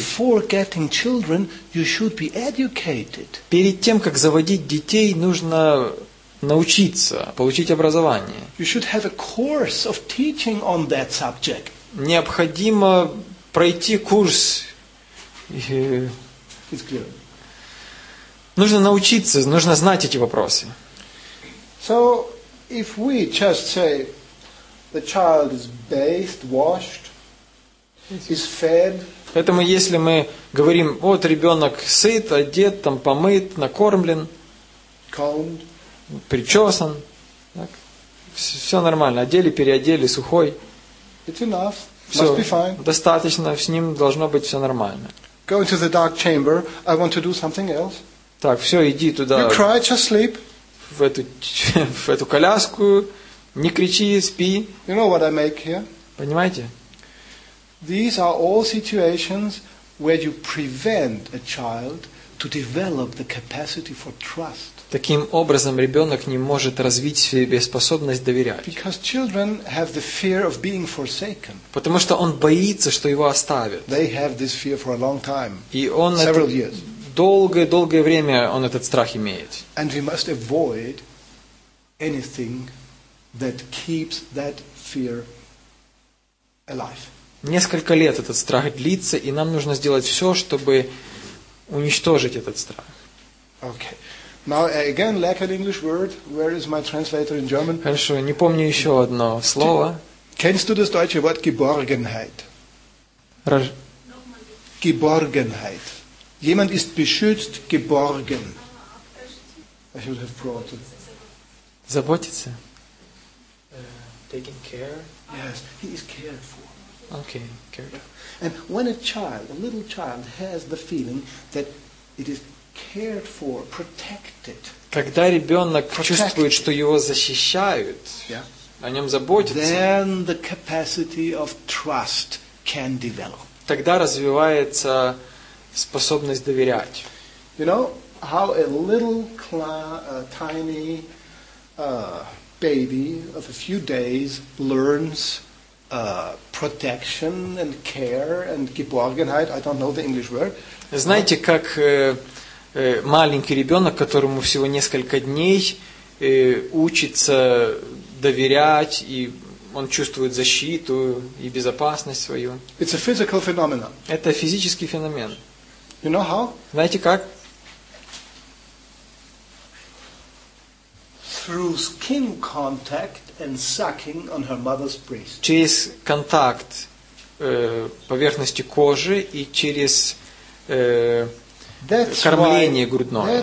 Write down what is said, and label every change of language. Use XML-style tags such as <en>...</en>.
<en>before getting children, you should be educated.</en> <ru>Перед тем, как заводить детей, нужно научиться, получить образование.</ru> <en>You should have a course of teaching on that subject.</en> <ru>Необходимо пройти курс.</ru> <en>It's clear.</en> <ru>Нужно научиться, нужно знать эти вопросы.</ru> <en>So, if we just say the child is bathed, washed, is fed.</en> <ru>Поэтому если мы говорим, вот ребенок сыт, одет, там помыт, накормлен.</ru> <en>Combed.</en> <ru>Причесан, так, все нормально, одели, переодели, сухой.</ru> <en>It's enough.</en> <ru>Все</ru> <en>must be fine.</en> <ru>Достаточно, с ним должно быть все нормально.</ru> <en>Go into the dark chamber. I want to do something else.</en> <ru>Так, все, иди туда.</ru> <en>You cry, just sleep.</en> <ru>В эту коляску, не кричи, спи.</ru> <en>You know what I make here?</en> <ru>Понимаете?</ru> <en>These are all situations where you prevent a child to develop the capacity for trust.</en> <ru>Таким образом, ребенок не может развить в себе способность доверять.</ru> <en>Because children have the fear of being forsaken.</en> <ru>Потому что он боится, что его оставят.</ru> <en>They have this fear for a long time.</en> <ru>И он</ru> <en>several years.</en> <ru>Долгое-долгое время он этот страх имеет.</ru> <en>And we must avoid anything that keeps that fear alive.</en> <ru>Несколько лет этот страх длится, и нам нужно сделать все, чтобы уничтожить этот страх.</ru> <en>Okay. Now again, lack an English word. Where is my translator in German?</en> <ru>Хорошо, не помню еще одно слово.</ru> <de>Kennst du das deutsche Wort Geborgenheit? Geborgenheit. Jemand ist beschützt, geborgen.</de> <en>I should have brought it.</en> <ru>Заботиться.</ru> <en>Taking care. Yes, he is cared for. Okay, cared. And when a child, a little child, has the feeling that It is cared for, protected.</en> <ru>Когда ребенок чувствует, что его защищают, о нем заботятся,</ru> <en>then the capacity of trust can develop.</en> <ru>Тогда развивается способность доверять.</ru> <en>You know how a little tiny baby of a few days learns protection and care and geborgenheit. I don't know the English word.</en> <ru>Знаете, как маленький ребенок, которому всего несколько дней, учится доверять, и он чувствует защиту и безопасность свою.</ru> <en>It's a physical phenomenon.</en> <ru>Это физический феномен.</ru> <en>You know how?</en> <ru>Знаете как?</ru> <en>Through skin contact and sucking on her mother's breast.</en> <ru>Через контакт поверхности кожи и через кормление грудное.</ru>